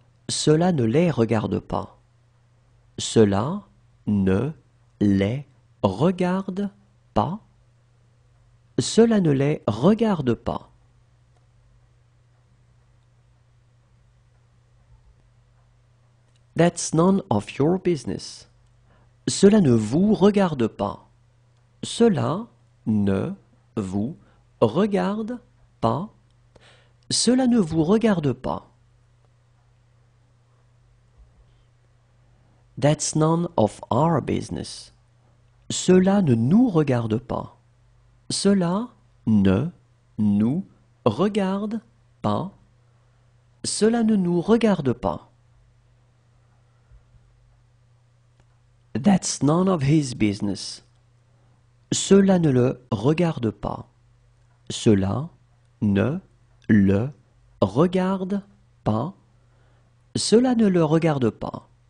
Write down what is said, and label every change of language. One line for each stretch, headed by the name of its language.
French: Cela ne les regarde pas. Cela ne les regarde pas. Cela ne les regarde pas.
English: That's none of your business.
French: Cela ne vous regarde pas. Cela ne vous regarde pas. Cela ne vous regarde pas.
English: That's none of our business.
French: Cela ne nous regarde pas. Cela ne nous regarde pas. Cela ne nous regarde pas.
English: That's none of his business.
French: Cela ne le regarde pas. Cela ne le regarde pas. Cela ne le regarde pas.